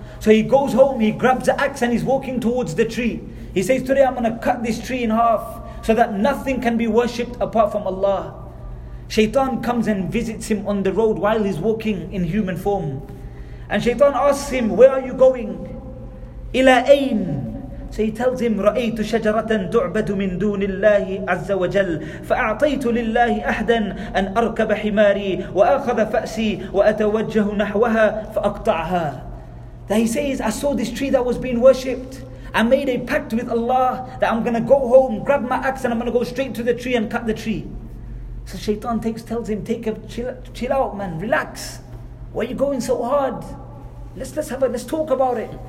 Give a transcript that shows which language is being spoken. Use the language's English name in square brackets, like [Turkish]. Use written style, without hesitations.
[English] So he goes home, he grabs the axe and he's walking towards the tree. He says, today I'm going to cut this tree in half so that nothing can be worshipped apart from Allah. Shaitan comes and visits him on the road while he's walking in human form. And Shaitan asks him, where are you going? [Arabic] إِلَىٰ أَيْنِ. [English] So he tells him, [Arabic] رَأَيْتُ شَجَرَةً تُعْبَدُ مِن دُونِ اللَّهِ عَزَّ وَجَلْ فَأَعْطَيْتُ لِلَّهِ أَحْدًا أَنْ أَرْكَبَ حِمَارِي وَأَخَذَ فَأْسِي وَأَتَوَجَّهُ نَحْوَهَا فَأَقْطَعْهَا. [English] That he says, I saw this tree that was being worshipped. I made a pact with Allah that I'm going to go home, grab my axe, and I'm going to go straight to the tree and cut the tree. So Shaitan tells him, chill out, man, relax. Why are you going so hard? Let's talk about it.